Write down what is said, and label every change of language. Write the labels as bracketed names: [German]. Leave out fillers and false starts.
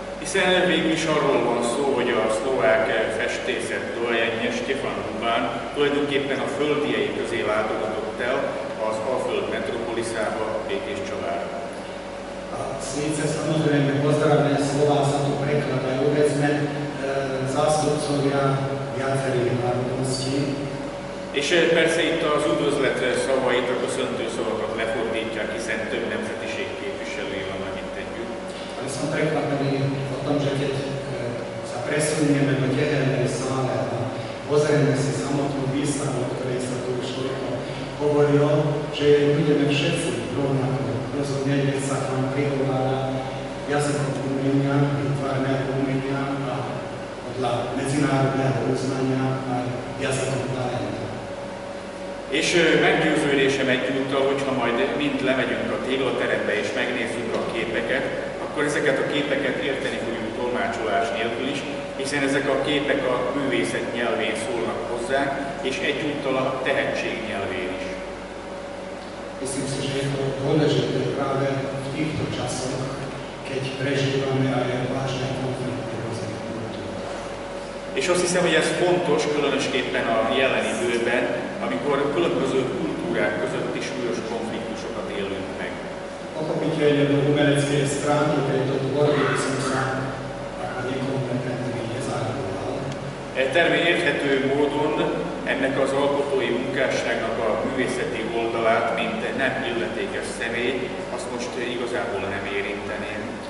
[Hungarian] hiszen végül is arról van szó, hogy a szlovák festészet doajenje Stefan Humán tulajdonképpen a földjei közé látogatott el az Alföld metropoliszába, Békés Csabára. [Slovak] Szíce samozrejme pozdravujem slová sa tu prekladajú, veď sme zástupcovia viacerých národností. [Hungarian] És persze itt az üdvözlet szavait, a köszöntő szavakat lefordítják, hiszen több nemzetiség képviselői vannak itt együtt. [Slovak] Ale som prekvapený o tom, že keď sa presunieme do tehernej sále a pozrieme si samotnú výstavu, o ktorej sa tu už hovorilo, že budeme všetci rovnako rozhodnenie sa tam prihovára jazykom umenia, výtvarného umenia a podľa medzinárodného uznania aj jazykom talenta. [Hungarian] És meggyőződésem egyúttal, hogyha majd mind lemegyünk a téglaterembe és megnézzük a képeket, akkor ezeket a képeket érteni fogjuk tolmácsolás nélkül is, hiszen ezek a képek a művészet nyelvén szólnak hozzá, és egyúttal a tehetség nyelvén is. [Slovak] Myslím si, že je to dôležité práve v týchto časoch, keď prežívame aj vážne konflikty rôznych kultúr. [Hungarian] És azt hiszem, hogy ez fontos, különösképpen a jelen időben, amikor különböző kultúrák között is súlyos konfliktusokat élünk meg. [Slovak] Pochopiteľne do umeleckej stránky tejto tvorby by som sa ako nekompetentný nezahraňoval. [Hungarian] Termény érthető módon ennek az alkotói munkásságnak a művészeti oldalát, mint nem illetékes személy, azt most igazából nem érinteném.